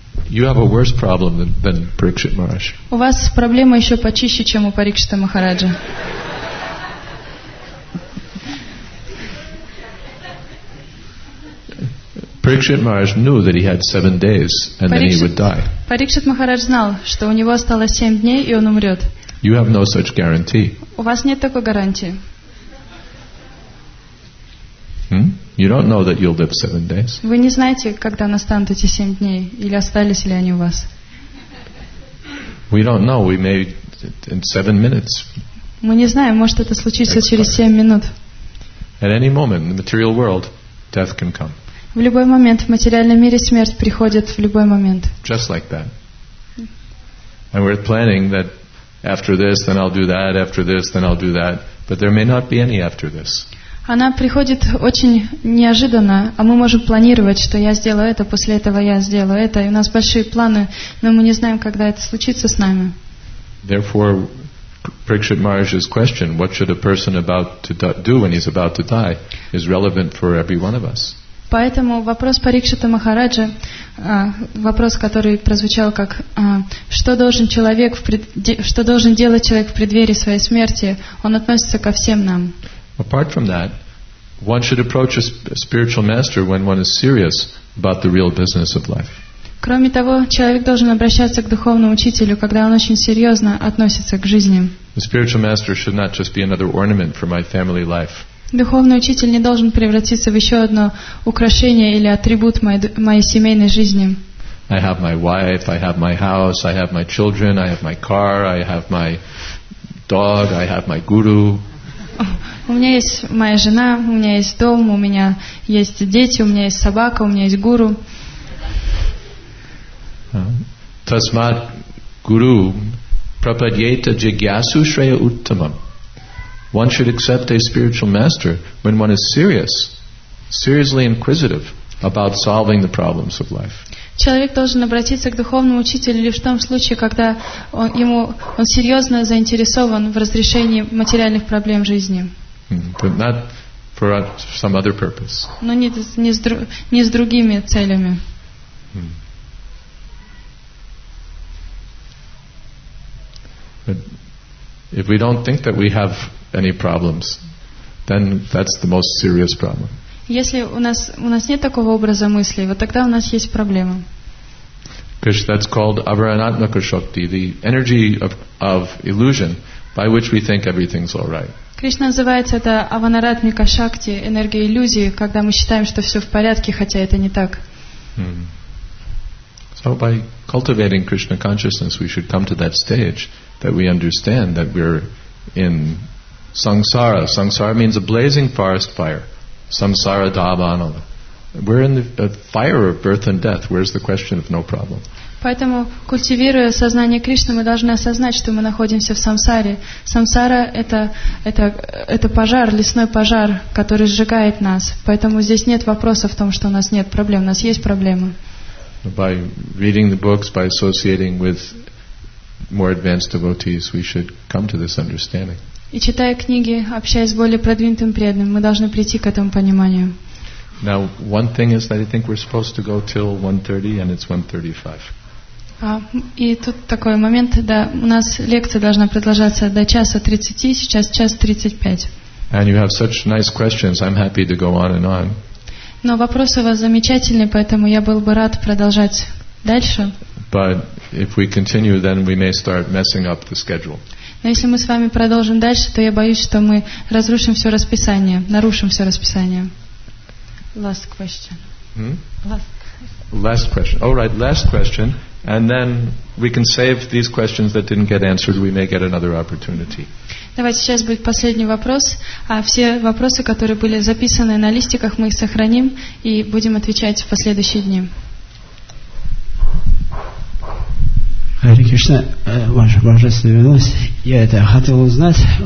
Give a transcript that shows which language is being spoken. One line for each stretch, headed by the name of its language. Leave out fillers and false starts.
English: You have a worse problem than Parikshit Maharaj.
Russian: У вас проблема еще почище, чем у Парикшита Махараджа.
English: Parikshit Maharaj knew that he had 7 days and then he would die.
Russian: Parikshit Maharaj знал, что у него осталось 7 дней и он умрет.
English: You have no such guarantee.
Russian: У вас нет такой гарантии.
English: You don't know that you'll live 7 days.
Russian: Вы не знаете, когда настанут эти 7 дней, или остались ли они у вас.
English: We don't know. We may in 7 minutes.
Russian: Мы не знаем, может это случится через 7 минут.
English: At any moment in the material world, death can come.
Russian: В любой момент в материальном мире смерть приходит в любой момент.
English: Just like that. And we're planning that after this, then I'll do that. After this, then I'll do that. But there may not be any after this.
Russian: Она приходит очень неожиданно, а мы можем планировать, что я сделаю это, после этого я сделаю это, и у нас большие планы, но мы не знаем, когда это случится с нами.
English: Therefore, Parikshit Maharaj's question, what should a person about to do when he's about to die, is relevant for every one of us.
Russian: Поэтому вопрос Парикшита Махараджа, вопрос, который прозвучал как что должен делать человек в преддверии своей смерти, он относится ко всем нам.
English: Apart from that, one should approach a spiritual master when one is serious about the real business of life.
Russian: Кроме того, человек должен обращаться к духовному учителю, когда он очень серьезно относится к жизни.
English: The spiritual master should not just be another ornament for my family life.
Russian: Духовный учитель не должен превратиться в еще одно украшение или атрибут моей семейной жизни.
English: I have my wife, I have my house, I have my children, I have my car, I have my dog, I have my guru.
Russian: У меня есть моя жена, у меня есть дом, у меня есть дети, у меня есть собака, у меня есть гуру.
Sanskrit: Tasmat guru prapadyeta jigyasu shreya uttamam.
English: One should accept a spiritual master when one is serious, seriously inquisitive about solving the problems of life.
Russian: Человек должен обратиться к духовному учителю лишь в том случае, когда он серьезно заинтересован в разрешении материальных проблем жизни.
English: But not for some other purpose.
Russian: Но не с другими целями.
English: But if we don't think that we have any problems, then that's the most serious problem.
Russian: Если у нас нет такого образа мысли, вот тогда у нас есть проблема.
English: Because that's called avaranatmaka shakti, the energy of illusion by which we think everything's all right.
Russian: Кришна называется это аванаратмика шакти, энергия иллюзии, когда мы считаем, что все в порядке, хотя это не так.
English: So by cultivating Krishna consciousness, we should come to that stage that we understand that we're in samsara. Samsara means a blazing forest fire. Samsara dhavanala. We're in the fire of birth and death. Where's the question of no problem?
Russian: Поэтому, культивируя сознание Кришны, мы должны осознать, что мы находимся в самсаре. Самсара — это пожар, лесной пожар, который сжигает нас. Поэтому здесь нет вопроса в том, что у нас нет проблем. У нас есть проблемы.
English: By reading the books, by associating with more advanced devotees, we should come to this understanding.
Russian: И читая книги, общаясь с более продвинутым преданным, мы должны прийти к этому пониманию.
English: Now, one thing is that I think we're supposed to go till 1:30, and it's 1:35.
Russian: И тут такой момент, да, у нас лекция должна продолжаться до часа 30, сейчас 1:35.
English: And you have such nice questions, I'm happy to go on and on.
Russian: Но вопросы у вас замечательные, поэтому я был бы рад продолжать дальше.
English: But if we continue, then we may start messing up the schedule.
Russian: Но если мы с вами продолжим дальше, то я боюсь, что мы разрушим все расписание, нарушим все расписание.
English: Last question. Last question. All right, last question. And then we can save these questions that didn't get answered. We may get another opportunity.
Russian: Давайте сейчас будет последний вопрос. А все вопросы, которые были записаны на листиках, мы их сохраним и будем отвечать в последующие дни. Hare Krishna, Ваша Божественная Милость. Я это хотел узнать.